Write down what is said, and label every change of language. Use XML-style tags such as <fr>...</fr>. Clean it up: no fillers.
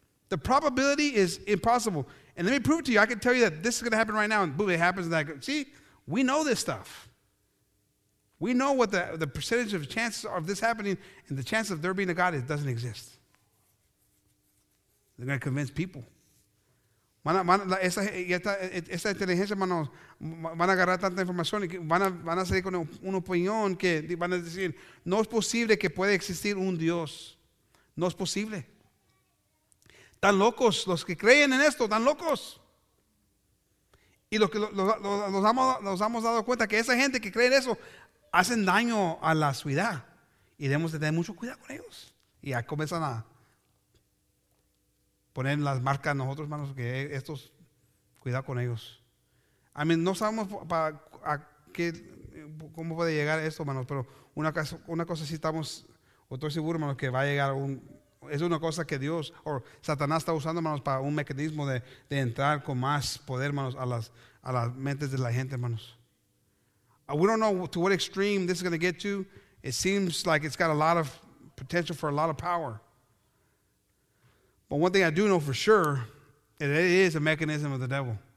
<en>The probability is impossible. And let me prove it to you. I can tell you that this is going to happen right now, and boom, it happens. And see, we know this stuff. We know what the percentage of chances of this happening, and the chance of there being a God, it doesn't exist. They're going to convince people.</en> <es>Esta inteligencia, hermanos, van a agarrar tanta información y van a salir con una opinión que van a decir, no es posible que pueda existir un Dios. No es posible. Están locos los que creen en esto, están locos. Y los hemos dado cuenta que esa gente que cree en eso hacen daño a la ciudad. Y debemos de tener mucho cuidado con ellos. Y ya comienzan a poner las marcas nosotros, hermanos, que estos, cuidado con ellos.</es> <en>I mean,</en> <es>no sabemos cómo puede llegar esto, hermanos, pero una cosa sí estamos, o estoy seguro, hermanos, que va a llegar es una cosa que Dios o Satanás está usando, hermanos, para un mecanismo de entrar con más poder, hermanos, a las mentes de la gente, hermanos.</es> <en>We don't know to what extreme this is going to get to. It seems like it's got a lot of potential for a lot of power. But one thing I do know for sure, it is a mechanism of the devil.</en>